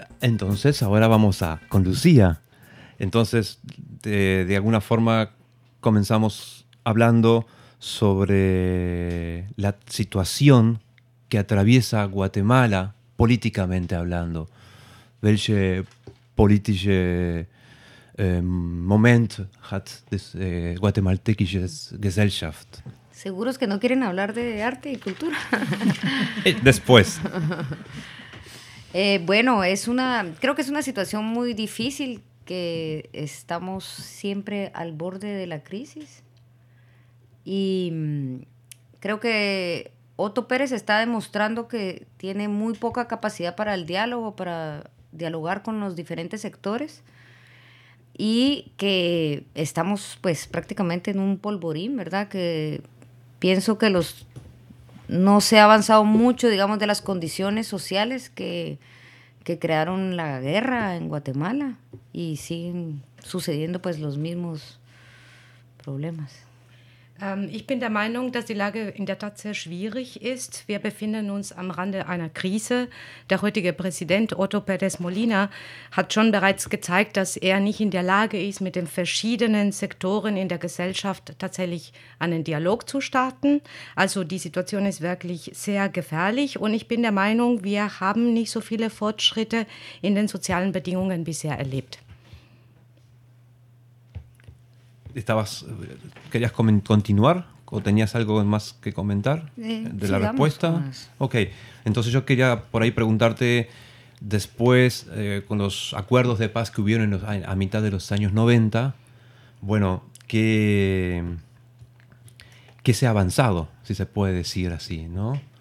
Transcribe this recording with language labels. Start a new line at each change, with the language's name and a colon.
Spanish: Entonces, ahora vamos a con Lucía. Entonces, de alguna forma comenzamos hablando sobre la situación que atraviesa Guatemala políticamente hablando.
German: Welche politische Moment hat das guatemaltekische Gesellschaft?
Spanish: Seguros que no quieren hablar de arte y cultura. Después. Bueno, es una, creo que es una situación muy difícil. Que estamos siempre al borde de la crisis. Y creo que Otto Pérez está demostrando que tiene muy poca capacidad para el diálogo, para dialogar con los diferentes sectores. Y que estamos, pues, prácticamente en un polvorín, ¿verdad? Que pienso que no se ha avanzado mucho, digamos, de las condiciones sociales que crearon la guerra en Guatemala y siguen sucediendo pues los mismos problemas.
German: Ich bin der Meinung, dass die Lage in der Tat sehr schwierig ist. Wir befinden uns am Rande einer Krise. Der heutige Präsident Otto Pérez Molina hat schon bereits gezeigt, dass er nicht in der Lage ist, mit den verschiedenen Sektoren in der Gesellschaft tatsächlich einen Dialog zu starten. Also die Situation ist wirklich sehr gefährlich. Und ich bin der Meinung, wir haben nicht so viele Fortschritte in den sozialen Bedingungen bisher erlebt.
Spanish: Estabas, ¿querías continuar o tenías algo más que comentar de la respuesta? Ok, entonces yo quería por ahí preguntarte después con los acuerdos de paz que hubieron a mitad de los años 90, bueno, ¿qué se ha avanzado, si se puede decir así, ¿no?